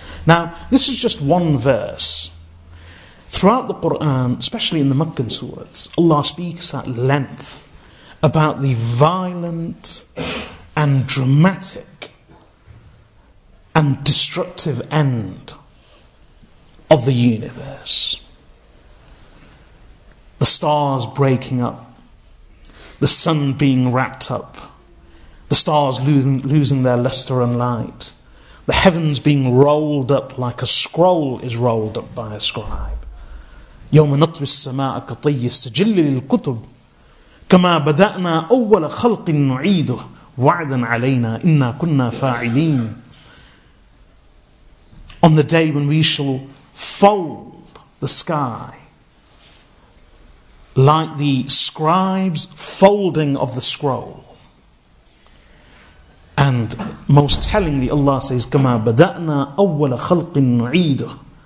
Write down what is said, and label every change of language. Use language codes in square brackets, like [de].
[en] Now, this is just one verse. Throughout the Qur'an, especially in the Meccan surahs, Allah speaks at length about the violent and dramatic and destructive end of the universe. The stars breaking up, the sun being wrapped up, the stars losing their luster and light, the heavens being rolled up like a scroll is rolled up by a scribe. [ar] يوم نطوي السماء كطي السجل للكتب كما بدأنا أول خلق نعيده وعدا علينا إنا كنا فاعلين. [en] On the day when we shall fold the sky like the scribes folding of the scroll. And most tellingly Allah says [ar] كما بدأنا أول خلق نعيده.